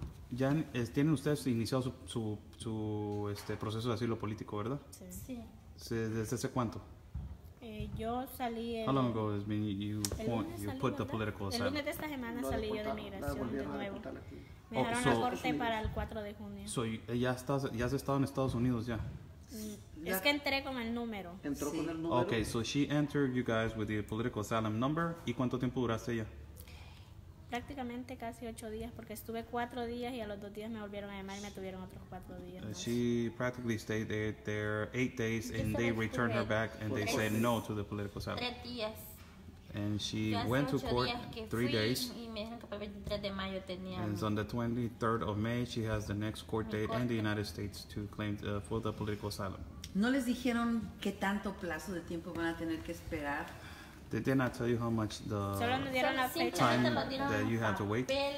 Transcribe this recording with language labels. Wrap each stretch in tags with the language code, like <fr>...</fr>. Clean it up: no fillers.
<es>Ya tienen ustedes iniciado su proceso de asilo político, ¿verdad? Sí. ¿Desde hace cuánto? Yo salí</es> <en>How long ago has been you put the political asylum?</en> <es>El lunes de esta semana salí yo de migración de nuevo. Me dejaron la corte para el 4 de junio. So ya has estado en Estados Unidos ya. Es que entré con el número. Entró con el número.</es> <en>Okay, so she entered you guys with the political asylum number.</en> <es>¿Y cuánto tiempo duraste ya? Prácticamente casi 8 días porque estuve 4 días y a los 2 días me volvieron a llamar y me tuvieron otros 4 días. Más.</es> <en>She practically stayed there 8 days and they returned her back and they said no to the political asylum.</en> <es>3 días.</es> <en>And she went to court 3 days.</en> <es>Y me dijeron que el 3 de mayo tenía.</es> <en>And on the 23rd of May she has the next court date in the United States to claim for the political asylum.</en> <es>¿No les dijeron qué tanto plazo de tiempo van a tener que esperar?</es> <en>They did not tell you how much the time that you have to wait.</en>